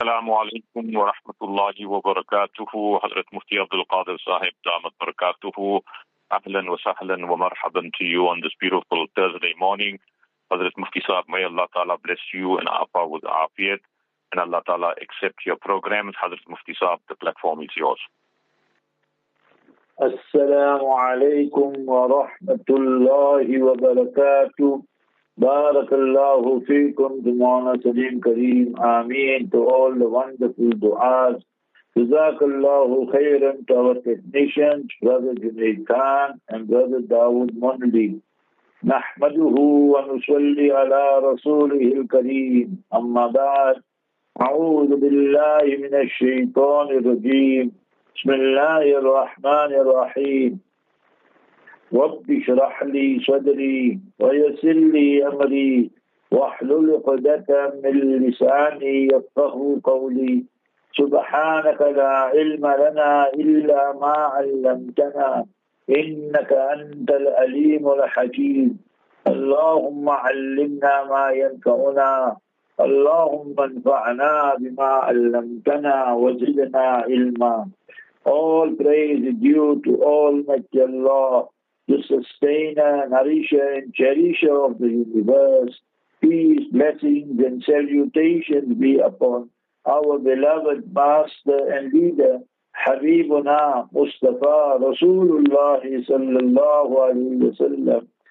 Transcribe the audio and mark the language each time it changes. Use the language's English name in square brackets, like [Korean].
[Arabic] السلام عليكم ورحمة الله وبركاته. حضرة مفتي عبد القادر صاحب دامت بركاته، أهلا وسهلا ومرحبا [English] to you on this beautiful Thursday morning. حضرة مفتي صاحب، may Allah Ta'ala bless you and Aafa with Aafiyat, and Allah Ta'ala accept your program. حضرة مفتي صاحب, the platform is yours. [Arabic] السلام عليكم ورحمة الله وبركاته. بارك الله فيكم دمعنا سليم كريم آمين. [English] To all the wonderful du'as. [Arabic] جزاك الله خيرا [English] to our technicians, Brother Junaid Khan and Brother Dawood Mondi. [Arabic] نحمده ونصلي على رسوله الكريم. أما بعد، أعوذ بالله من الشيطان الرجيم. بسم الله الرحمن الرحيم. رب اشرح لي صدري ويسر لي امري واحلل عقدة من لساني يفقهوا قولي. سبحانك لا علم لنا الا ما علمتنا انك انت العليم الحكيم. اللهم علمنا ما ينفعنا، اللهم انفعنا بما علمتنا وزدنا علما. [English] All praise is due to Almighty Allah, the sustainer, nourisher and cherisher of the universe. Peace, blessings and salutations be upon our beloved master and leader, Habibuna Mustafa Rasulullah sallallahu alayhi wa sallam.